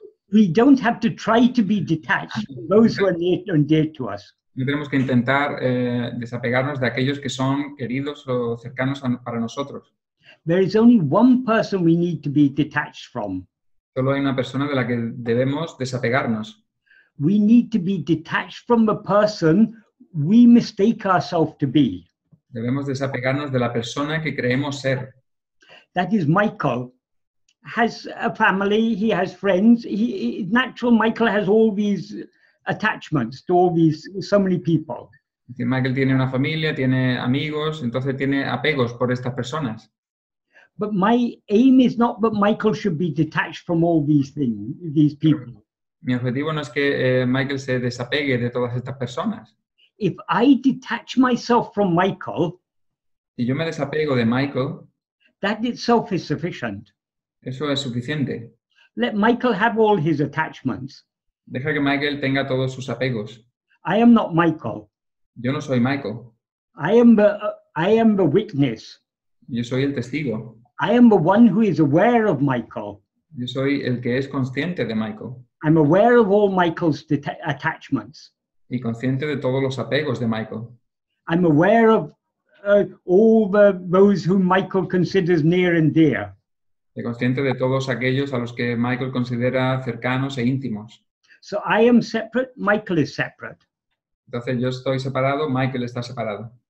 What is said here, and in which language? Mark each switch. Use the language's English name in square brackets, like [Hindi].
[English] We don't have to try to be detached from those who are near and dear to us. [Spanish] No tenemos que intentar desapegarnos de aquellos que son queridos o cercanos para nosotros. [English] There is only one person we need to be detached from. [Spanish] Solo hay una persona de la que debemos desapegarnos. [English] We need to be detached from the person we mistake ourselves to be. [Spanish] Debemos desapegarnos de la persona que creemos ser. [English] That is, Michael has a family, he has friends. Michael has all these attachments to all these, so many people. [Spanish] Michael tiene una familia, tiene amigos, entonces tiene apegos por estas personas. [English] But my aim is not that Michael should be detached from all these things, these people. [Spanish] Mi objetivo no es que Michael se desapegue de todas estas personas. [English] If I detach myself from Michael, [Spanish] si yo me desapego de Michael, [English] that itself is sufficient. [Spanish] Eso es suficiente. [English] Let Michael have all his attachments. [Spanish] Deja que Michael tenga todos sus apegos. [English] I am not Michael. [Spanish] Yo no soy Michael. [English] I am the witness. [Spanish] Yo soy el testigo. [English] I am the one who is aware of Michael. [Spanish] Yo soy el que es consciente de Michael. [English] I'm aware of all Michael's attachments. [Spanish] Y consciente de todos los apegos de Michael. [English] I'm aware of all those whom Michael considers near and dear. [Spanish] Y consciente de todos aquellos a los que Michael considera cercanos e íntimos. [English] So I am separate, Michael is separate. [Spanish] Entonces yo estoy separado, Michael está separado.